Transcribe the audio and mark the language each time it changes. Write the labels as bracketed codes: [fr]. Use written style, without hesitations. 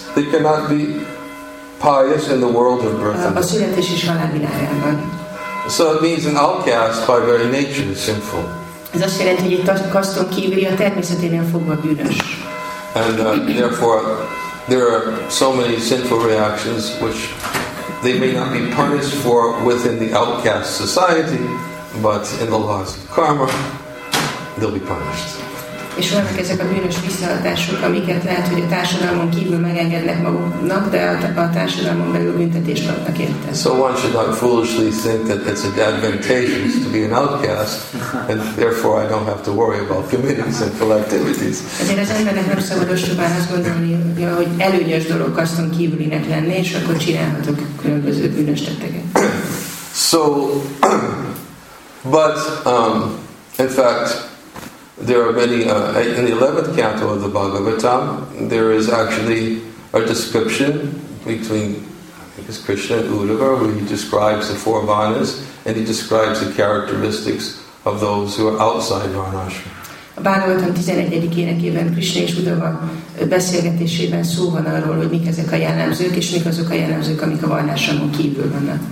[en] They cannot be pious in the world of birth. [hu] A születés és halálvilágában. [en] So it means an outcast by very nature is sinful. [hu] Ez azt jelenti, hogy egy kaszton kívüli a természeténél fogva bűnös. [en] And therefore there are so many sinful reactions which they may not be punished for within the outcast society, but in the laws of karma they'll be punished. [hu] És vannak ezek a bűnös visszahatások, amiket lehet, hogy a társadalmon kívül megengednek maguknak, de a társadalmon belül büntetést kapnak érte. [en] So one should not foolishly think that it's advantageous to be an outcast, and therefore I don't have to worry about committing sinful activities. [hu] Ezért az embernek nem szabad ostobán azt gondolni, hogy előnyös dolog kaszton kívülinek lenni, és akkor csinálhatok különböző bűnös tetteket. [en] So, but, in fact, there are many in the 11th canto of the Bhagavatam. There is actually a description between, I think it's Krishna and Uddhava, where he describes the four vanas and he describes the characteristics of those who are outside Varnashram. [hu] A Bhagavatam 11. énekében Krishna és Uddhava beszélgetésében szó van arról, hogy mik ezek a jellemzők és mik azok a jellemzők, amik a Varnashramon kívül vannak.